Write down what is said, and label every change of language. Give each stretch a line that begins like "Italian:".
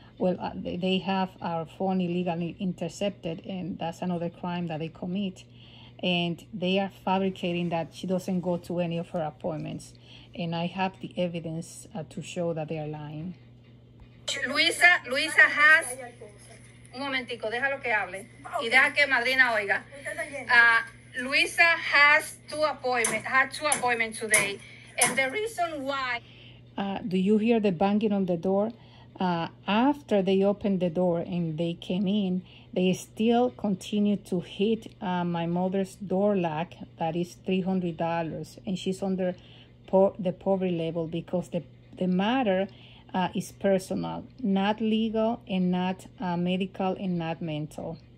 English: Well, they have our phone illegally intercepted, and that's another crime that they commit. And they are fabricating that she doesn't go to any of her appointments. And I have the evidence to show that they are lying. Luisa has...
Spanish: Un momentico, deja lo que hable. Okay. Y deja que Madrina oiga.
English: Luisa has two appointments today, and the reason why. Do you hear the banging on the door? After they opened the door and they came in, they still continue to hit my mother's door lock, that is $300, and she's under the poverty level because the matter is personal, not legal and not medical and not mental.